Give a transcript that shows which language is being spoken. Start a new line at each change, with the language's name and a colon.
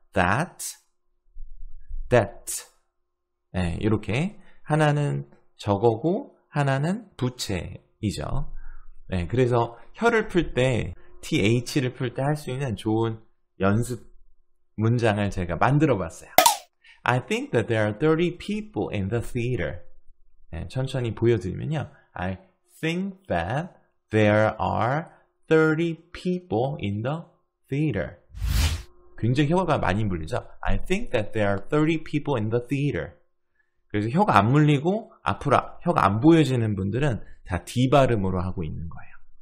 English: That, that.
Korean: 네, 이렇게 하나는 적어고 하나는 부채이죠. 네, 그래서 혀를 풀 때 TH를 풀 때 할 수 있는 좋은 연습 문장을 제가 만들어봤어요.
English: I think that there are 30 people in the theater.
Korean: 네, 천천히 보여드리면요.
English: I think that there are 30 people in the theater.
Korean: 굉장히 혀가 많이 물리죠?
English: I think that there are 30 people in the theater.
Korean: 그래서 혀가 안 물리고 앞으로 혀가 안 보여지는 분들은 다 D 발음으로 하고 있는 거예요.